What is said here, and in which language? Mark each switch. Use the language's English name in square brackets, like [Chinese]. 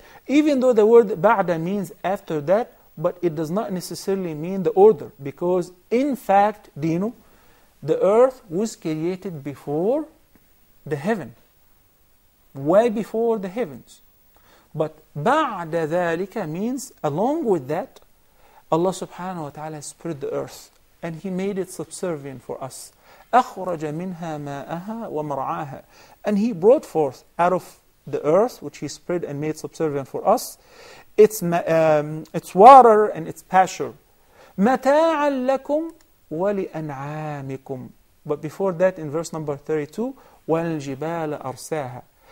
[English] Even though the word بعد means after that, but it does not necessarily mean the order, because in fact, Dino, the earth was created before the heaven, way before the heavens. But [Arabic] بعد ذلك [English] means along with that, Allah subhanahu wa ta'ala spread the earth and He made it subservient for us. [Arabic] أخرج منها ماءها ومرعاها. [English] And He brought forth out of the earth, which He spread and made subservient for us, its water and its pasture. [Arabic] مَتَاعًا لَكُمْ وَلِأَنْعَامِكُمْ. [English] But before that, in verse number 32, [Arabic] وَالْجِبَالَ أَرْسَاهَا.